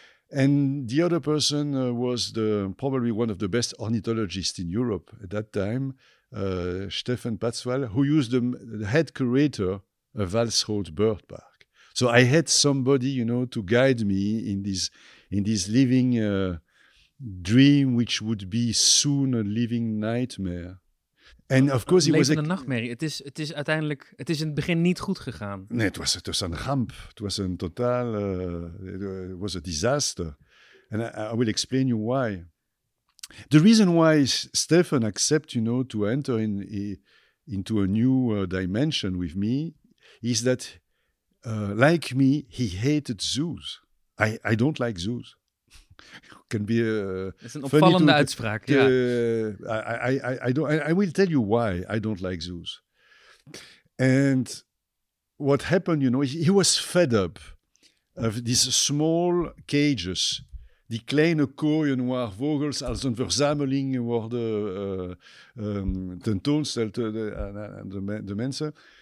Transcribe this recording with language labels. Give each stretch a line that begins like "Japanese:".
English: And the other person was probably one of the best ornithologists in Europe at that time, Stefan Patzval, who used the head curator of Walsrode Bird Park. So I had somebody, you know, to guide me in this living dream, which would be soon a living nightmare. En of course,
Dutch: het was een nachtmerrie. Het is in het begin niet goed gegaan. Nee, het was een ramp. Het was een totaal.
English: It was a disaster. And I will explain you why. The reason why Stefan accept, you know, to enter into a new dimension with me is that, like me, he hated zoos. I don't like zoos. Can be a funny
Dutch: opvallende uitspraak.
English: Yeah. I will tell you why I don't like zoos. And what happened, you know, he was fed up of these small cages.
Dutch: Die kleine kooien waar vogels als een verzameling worden tentoonsteld de mensen.